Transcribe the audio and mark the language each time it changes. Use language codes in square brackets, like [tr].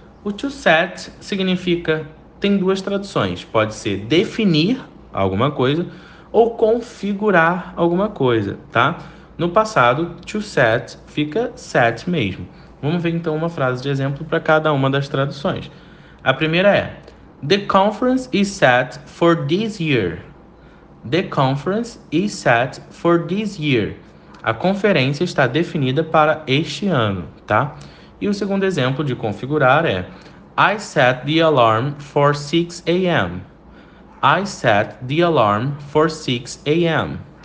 [pt] O to set significa. Tem duas traduções. Pode ser definir alguma coisa ou configurar alguma coisa, tá? No passado, to set fica set mesmo. Vamos ver então uma frase de exemplo para cada uma das traduções. A primeira é: [en] The conference is set for this year. The conference is set for this year. [pt] A conferência está definida para este ano, tá? E o segundo exemplo de configurar é: [en] I set the alarm for 6 a.m. I set the alarm for 6 a.m.